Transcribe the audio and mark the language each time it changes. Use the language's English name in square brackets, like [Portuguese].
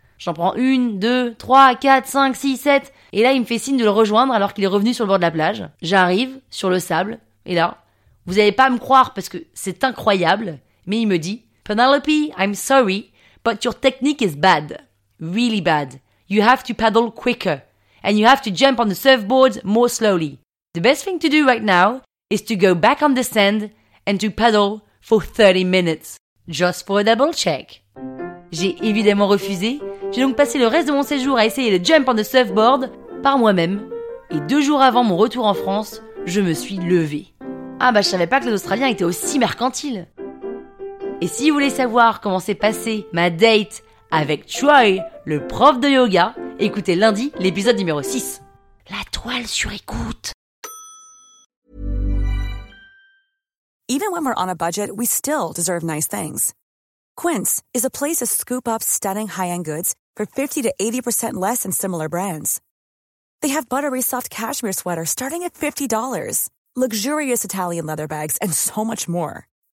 [French] J'en prends une, deux, trois, quatre, cinq, six, sept. Et là, il me fait signe de le rejoindre alors qu'il est revenu sur le bord de la plage. J'arrive, sur le sable, et là, vous n'allez pas me croire parce que c'est incroyable, mais il me dit « [English] Penelope, I'm sorry, but your technique is bad. Really bad. You have to paddle quicker. and you have to jump on the surfboard more slowly. The best thing to do right now is to go back on the sand and to paddle for 30 minutes. Just for a double check. [French] J'ai évidemment refusé. J'ai donc passé le reste de mon séjour à essayer le [English] jump on the surfboard [French] par moi-même. Et deux jours avant mon retour en France, je me suis levée. Ah bah je savais pas que les Australiens étaient aussi mercantiles. Et si vous voulez savoir comment s'est passée ma date avec Troy, le prof de yoga, écoutez lundi l'épisode numéro 6. La toile sur écoute. [English] Even when we're on a budget, we still deserve nice things. Quince is a place to scoop up stunning high-end goods for 50 to 80% less than similar brands. They have buttery soft cashmere sweaters starting at $50, luxurious Italian leather bags, and so much more.